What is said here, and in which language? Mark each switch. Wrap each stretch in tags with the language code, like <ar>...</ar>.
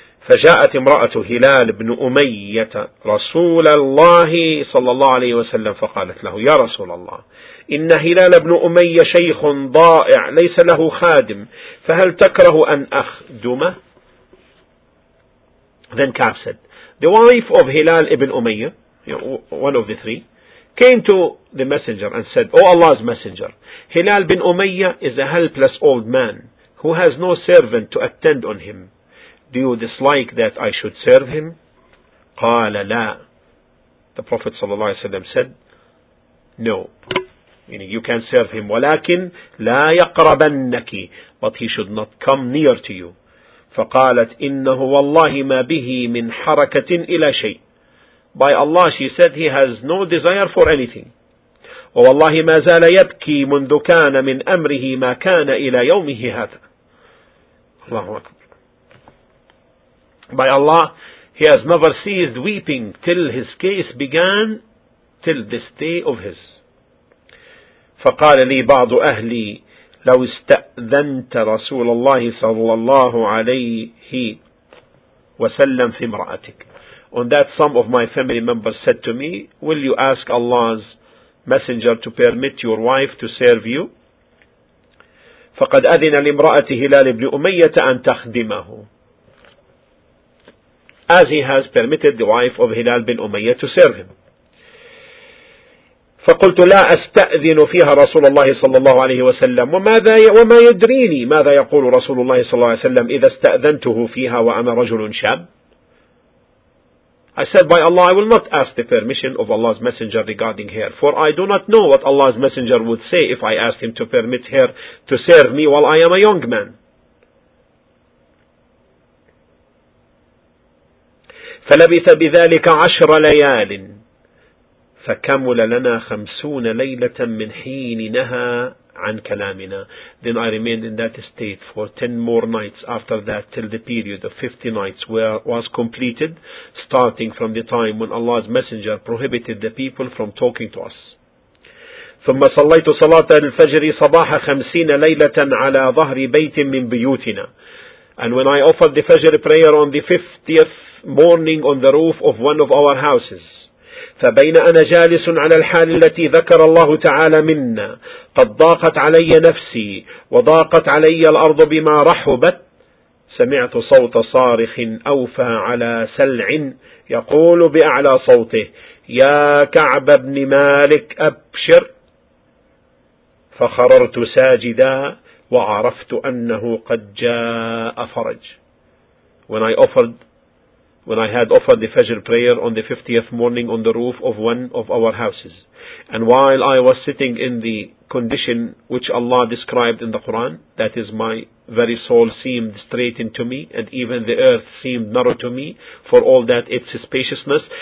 <ar>فجاءت امرأة هلال بن أمية رسول الله صلى الله عليه وسلم فقالت له يا رسول الله إن هلال بن أمية شيخ ضائع ليس له خادم فهل تكره أن أخدمه؟</ar> <en>Then Kaf said, the wife of Hilal ibn Umayyah, one of the three, came to the messenger and said, oh Allah's messenger, Hilal bin Umayyah is a helpless old man who has no servant to attend on him. Do you dislike that I should serve him?</en> <ar>قال لا.</ar> <en>The Prophet ﷺ said, no. Meaning you can serve him.</en> <ar>ولكن لا يقربنك.</ar> <en>But he should not come near to you.</en> <ar>فقالت إنه والله ما به من حركة إلى شيء.</ar> <en>By Allah, she said, he has no desire for anything.</en> <ar>ووالله ما زال يبكي منذ كان من أمره ما كان إلى يومه هذا. الله أكبر.</ar> <en>By Allah, he has never ceased weeping till his case began, till this day of his.</en> <ar>فقال لي بعض أهلي لو استأذنت رسول الله صلى الله عليه وسلم في امرأتك.</ar> <en>On that, some of my family members said to me, will you ask Allah's messenger to permit your wife to serve you?</en> <ar>فقد أذن لامرأة هلال بن أمية أن تخدمه.</ar> <en>As he has permitted the wife of Hilal bin Umayyah to serve him.</en> <ar>فقلت لا أستأذن فيها رسول الله صلى الله عليه وسلم وما يدريني ماذا يقول رسول الله صلى الله عليه وسلم إذا استأذنته فيها وأنا رجل شاب.</ar> <en>I said, by Allah, I will not ask the permission of Allah's messenger regarding her, for I do not know what Allah's messenger would say if I asked him to permit her to serve me while I am a young man.</en> <ar>فلبث بذلك عشر ليال فكمل لنا خمسون ليلة من حين نهى عن كلامنا.</ar> <en>Then I remained in that state for 10 more nights after that till the period of 50 nights was completed, starting from the time when Allah's messenger prohibited the people from talking to us.</en> <ar>ثم صليت صلاة الفجر صباح خمسين ليلة على ظهر بيت من بيوتنا.</ar> <en>And when I offered the Fajr prayer on the 50th morning on the roof of one of our houses.</en> <ar>فبين أنا جالس على الحال التي ذكر الله تعالى منا قد ضاقت علي نفسي وضاقت علي الأرض بما رحبت سمعت صوت صارخ أوفى على سلع يقول بأعلى صوته يا كعب بن مالك أبشر فخررت ساجدا وعرفت أنه قد جاء فرج.</ar> <en>When I had offered the Fajr prayer on the 50th morning on the roof of one of our houses, and while I was sitting in the condition which Allah described in the Quran, that is, my very soul seemed straightened to me, and even the earth seemed narrow to me, for all that its spaciousness,</en>